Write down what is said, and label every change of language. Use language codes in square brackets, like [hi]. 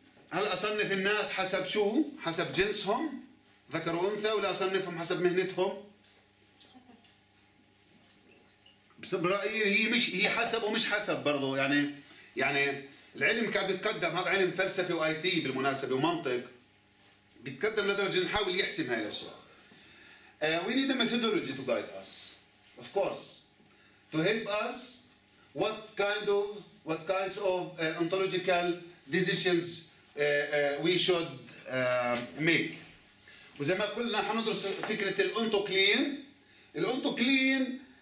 [ar] هل اصنف الناس حسب شو؟ حسب جنسهم ذكر وانثى، ولا اصنفهم حسب مهنتهم؟ حسب. برايي هي حسب ومش حسب برضه، يعني العلم قاعد بيتقدم، هذا علم فلسفي واي تي بالمناسبه ومنطق بيتقدم لدرجه نحاول يحسم هاي الاشياء. [en] We need a methodology to guide us. Of course. To help us what kinds of ontological decisions we should make. [ar] وزي ما قلنا حندرس فكره الانتو كلين. الانتو كلين